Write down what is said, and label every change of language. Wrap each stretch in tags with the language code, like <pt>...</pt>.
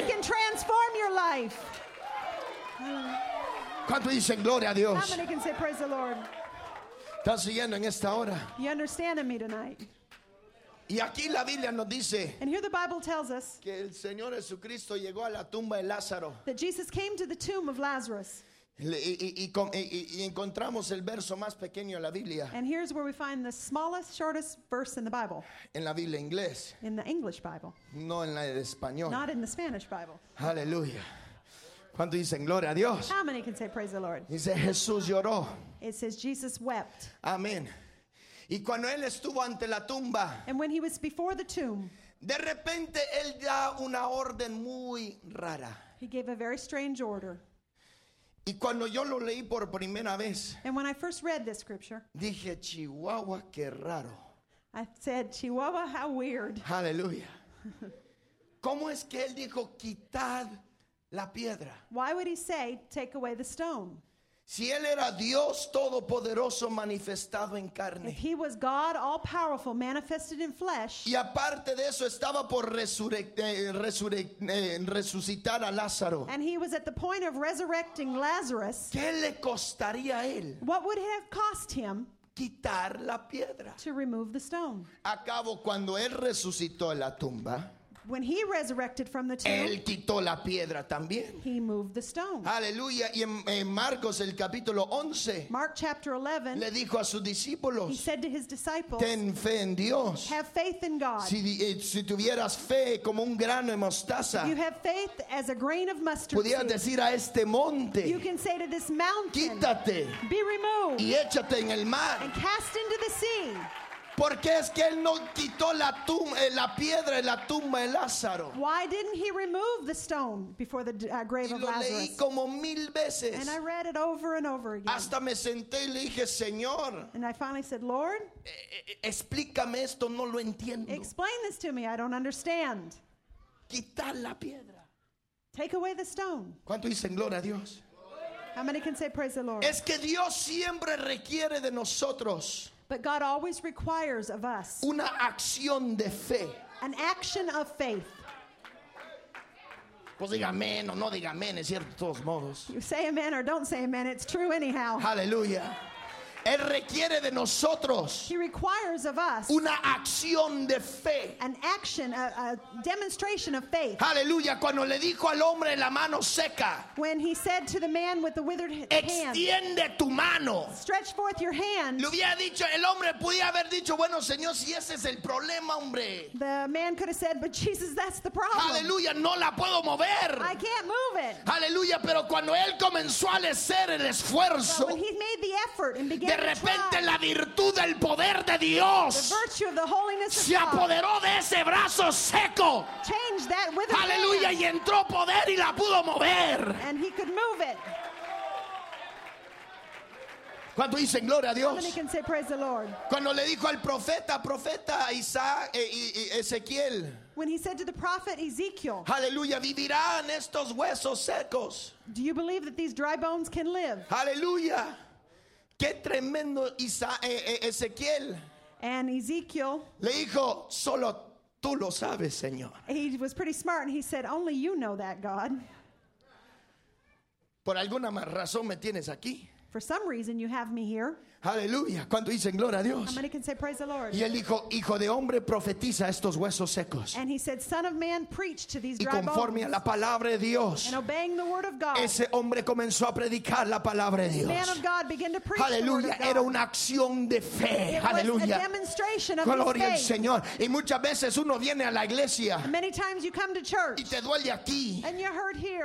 <en>He can transform your life.</en> <es>¿Cuánto dicen gloria a Dios?</es> <en>How many can say praise the Lord?</en> <es>¿Están siguiendo en esta hora?</es> <en>You understanding me tonight?</en> <es>Y aquí la Biblia nos dice.</es> <en>And here the Bible tells us.</en> <es>Que el Señor Jesucristo llegó a la tumba de Lázaro.</es> <en>That Jesus came to the tomb of Lazarus.</en> <es>Y encontramos el verso más pequeño de la Biblia.</es> <en>And here's where we find the smallest, shortest verse in the Bible.</en> <es>En la Biblia inglés.</es> <en>In the English Bible.</en> <es>No en la de español.</es> <en>Not in the Spanish Bible.</en> <es>Aleluya. ¿Cuánto dicen gloria a Dios?</es> <en>How many can say praise the Lord?</en> <es>Dice Jesús lloró.</es> <en>It says Jesus wept.</en> <es>Amén. Y cuando él estuvo ante la tumba.</es> <en>And when he was before the tomb.</en> <es>De repente él da una orden muy rara.</es> <en>He gave a very strange order.</en> <es>Y cuando yo lo leí por primera vez,</es> <en>and when I first read this scripture,</en> <es>dije, Chihuahua, qué raro.</es> <en>I said, Chihuahua, how weird. Hallelujah.</en> <es>¿Cómo es que él dijo, quitad la piedra?</es> <en>Why would he say, take away the stone?</en> <es>Si él era Dios todopoderoso manifestado en carne.</es> <en>If he was God all powerful manifested in flesh.</en> <es>Y aparte de eso estaba por resucitar a Lázaro.</es> <en>And he was at the point of resurrecting Lazarus.</en> <es>¿Qué le costaría a él?</es> <en>What would it have cost him?</en> <es>Quitar la piedra.</es> <en>To remove the stone.</en> <es>Acabo cuando él resucitó en la tumba.</es> <en>When he resurrected from the tomb,</en> <es>él quitó la piedra también.</es> <en>He moved the stone.</en> <es>Aleluya. Y en Marcos el capítulo 11,</es> <en>Mark chapter 11,</en> <es>le dijo a sus discípulos,</es> <en>he said to his disciples,</en> <es>ten fe en Dios.</es> <en>Have faith in God.</en> <es>Si tuvieras fe como un grano de mostaza,</es> <en>you have faith as a grain of mustard seed,</en> <es>pudieras decir a este monte,</es> <en>you can say to this mountain,</en> <es>quítate,</es> <en>be removed,</en> <es>y échate en el mar,</es> <en>and cast into the sea.</en> <es>Porque es que él no quitó la piedra de la tumba de Lázaro.</es> <en>Why didn't he remove the stone before the grave of Lazarus?</en> <es>Y lo leí como mil veces.</es> <en>And I read it over and over again.</en> <es>Hasta me senté y le dije, Señor.</es> <en>And I finally said, Lord.</en> <es>Explícame esto, no lo entiendo.</es> <en>Explain this to me, I don't understand.</en> <es>quitar la piedra.</es> <en>Take away the stone.</en> <es>¿Cuánto dicen gloria a Dios?</es> <en>How many can say praise the Lord?</en> <es>Es que Dios siempre requiere de nosotros.</es> <en>But God always requires of us.</en> <es>Una acción de fe.</es> <en>An action of faith.</en> <es>Pues diga amén o no diga amén, es cierto de todos modos.</es> <en>You say amen or don't say amen, it's true anyhow.</en> <es>Hallelujah. Él requiere de nosotros.</es> <en>He requires of us.</en> <es>Una acción de fe.</es> <en>An action, a demonstration of faith. Hallelujah.</en> <es>Cuando le dijo al hombre la mano seca.</es> <en>When he said to the man with the withered hand.</en> <es>Extiende tu mano.</es> <en>Stretch forth your hand.</en> <es>Le hubiera dicho, el hombre podía haber dicho, bueno, Señor, si ese es el problema, hombre.</es> <en>The man could have said, but Jesus, that's the problem.</en> <es>Hallelujah. No la puedo mover.</es> <en>I can't move it. Hallelujah.</en> <es>Pero cuando él comenzó a hacer el esfuerzo.</es> <en>But when he made the effort and began.</en> <es>De repente la virtud del poder de Dios se apoderó de ese brazo seco. Aleluya, y entró poder y la pudo mover.</es> <en>And he could move it.</en> <es>¿Cuánto dicen gloria a Dios?</es> <en>How many can say praise the Lord?</en> <es>Cuando le dijo al profeta Isaac y Ezequiel.</es> <en>When he said to the prophet Ezekiel.</en> <es>Aleluya, vivirán estos huesos secos.</es> <en>Do you believe that these dry bones can live?</en> <es>Aleluya. Qué tremendo Ezequiel.</es> <en>And Ezekiel.</en> <es>Le dijo, solo tú lo sabes, Señor.</es> <en>He was pretty smart and he said, only you know that, God.</en> <es>Por alguna razón me tienes aquí.</es> <en>For some reason you have me here.</en> <es>Aleluya. ¿Cuánto dicen gloria a Dios?</es> <en>How many can say praise the Lord?</en> <es>Y él dijo, hijo de hombre, profetiza estos huesos secos.</es> <en>And he said, son of man, preach to these dry bones.</en> <es>Y conforme a la palabra de Dios.</es> <en>And obeying the word of God.</en> <es>Ese hombre comenzó a predicar la palabra de Dios.</es> <en>The man of God began to preach. Aleluya. The word of</en> <es>God. Era una acción de fe.</es> <en>It Aleluya. Was a demonstration of</en> <es>gloria</es> <en>his faith.</en> <es>Al Señor. Y muchas veces uno viene a la iglesia.</es> <en>And many times you come to church.</en> <es>Y te duele aquí.</es> <en>And you hurt here.</en>